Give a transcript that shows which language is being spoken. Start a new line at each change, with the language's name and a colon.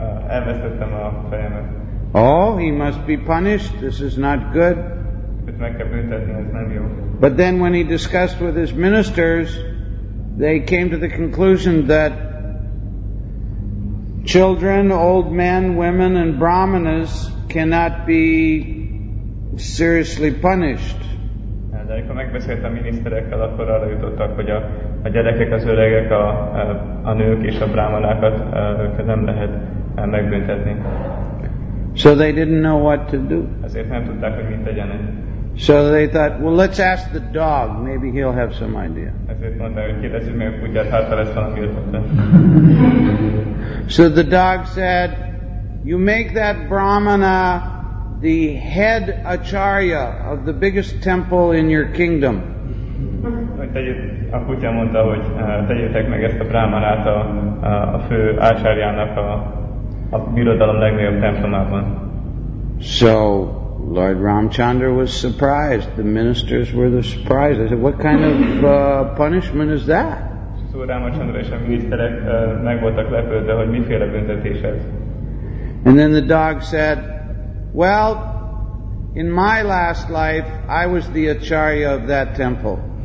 Hungarian: Elvesztettem a fejemet.
English: Oh, he must be punished. This is not good.
Hungarian: Őt meg kell büntetni, ez nem jó.
English: But then when he discussed with his ministers, they came to the conclusion that children, old men, women, and brahmanas cannot be seriously punished.
Hungarian: De amikor megbeszélt a miniszterekkel, akkor arra jutottak, hogy a gyerekek, az öregek, a nők és a brahmanákat, őket nem lehet megbüntetni.
English: So they didn't know what to do.
Hungarian: Ezért nem tudták, hogy mit tegyenek.
English: So they thought, well, let's ask the dog, maybe he'll have some idea.
Hungarian: Ezért mondták, hogy kérdezzük meg a kutyát, hát ha lesz valami ötlete.
English: So the dog said, you make that brahmana the head acharya of the biggest temple in your kingdom.
Hungarian: A kutya mondta, hogy tegyétek meg ezt a brahmanát a fő acharyának a birodalom legnagyobb templomában.
English: So Lord Ramchandra was surprised. The ministers were the surprise. They said, what kind of punishment is that?
Hungarian: Szóval Ramachandra és a miniszterek meg voltak lepődve, hogy miféle büntetés ez.
English: And then the dog said, well, in my last life, I was the acharya of that temple.